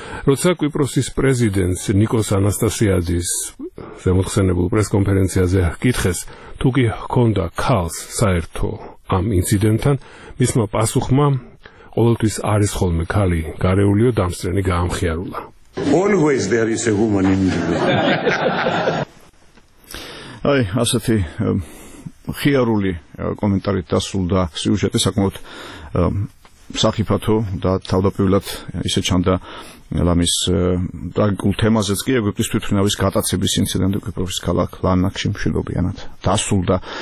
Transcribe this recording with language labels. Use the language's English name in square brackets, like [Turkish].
[Georgian] როცა კვიპროსის პრეზიდენტს ნიკოს ანასტასიადის ზემოთხსენებულ პრესკონფერენციაზე ჰკითხეს, თუ კი ჰქონდა ქალს საერთო ამ ინციდენტთან, მისმა პასუხმა ყოველთვის არის ხოლმე ქალი გარეულიო, დამსწრენი გაამხიარულა. [English] Always there is a woman in the room. [Georgian] აი, ასეთი ხიარული კომენტარით დასრულდა სიუჟეტი, საკმაოდ სახიფათო და თავდაპირველად ისე ჩანდა ლამის ტრაგიკულ თემაზეც კი ეგვიპტის თვითმფრინავის გატაცების ინციდენტი კვიპროსის ქალაქ ლარნაკში მშვიდობიანად დასრულდა.